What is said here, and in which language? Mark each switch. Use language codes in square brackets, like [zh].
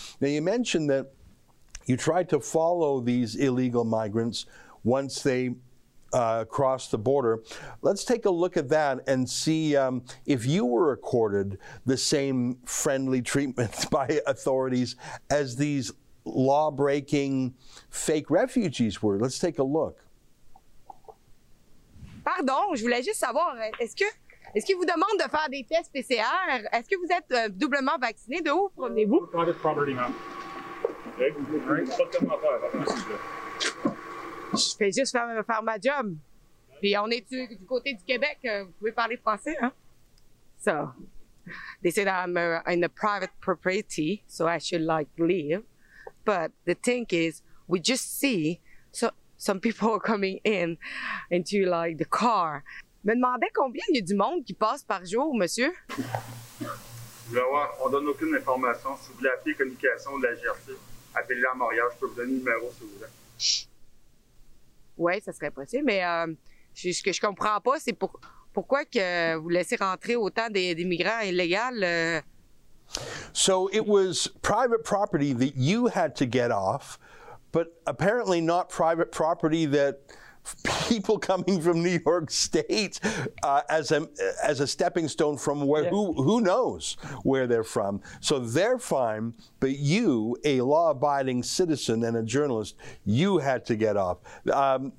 [en] Now, you mentioned that you tried to follow these illegal migrants once they across the border. Let's take a look at that and see if you were accorded the same friendly treatment by authorities as these law-breaking fake refugees were. Let's take a look. [fr] Pardon, je voulais juste savoir, est-ce qu'il vous demande de faire des tests PCR? Est-ce que vous êtes doublement vacciné? De où promenez-vous? [en] Private property now. [fr] Je fais juste faire ma job. Puis on est du côté du Québec. Vous pouvez parler français, hein? [en] So, they said I'm in a private property, so I should like leave. But the thing is, we just see some people are coming in into like the car. [fr] Me demandais combien il y a du monde qui passe par jour, monsieur? Vous voulez voir, on donne aucune information. Si vous voulez appeler communication de la GRC, appelez-la à Montréal. Je peux vous donner le numéro si vous voulez. Oui, ça serait possible, mais ce que je comprends pas, c'est pourquoi que vous laissez rentrer autant d'immigrants illégaux. [en] So it was private property that you had to get off, but apparently not private property that people coming from New York State as a stepping stone from where, yeah. Who knows where they're from. So they're fine, but you, a law-abiding citizen and a journalist, you had to get off. Yeah.